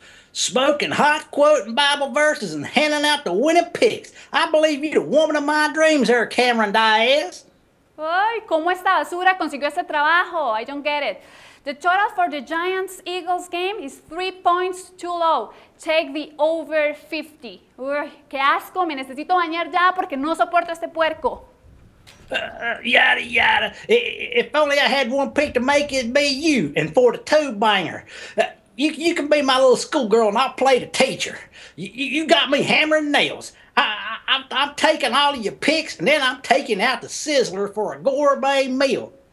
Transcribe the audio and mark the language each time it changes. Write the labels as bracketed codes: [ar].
[en] Smoking hot, quoting Bible verses, and handing out the winning picks. I believe you're the woman of my dreams there, Cameron Diaz. [es] Ay, ¿cómo esta basura consiguió ese trabajo? [en] I don't get it. The total for the Giants-Eagles game is 3 points too low. Take the over 50. [es] Uy, qué asco, me necesito bañar ya porque no soporto este puerco. [en] Yada yada. If only I had one pick to make, it'd be you, and for the two banger. You can be my little schoolgirl and I'll play the teacher. You got me hammering nails. I'm taking all of your picks and then I'm taking out the sizzler for a gourmet meal.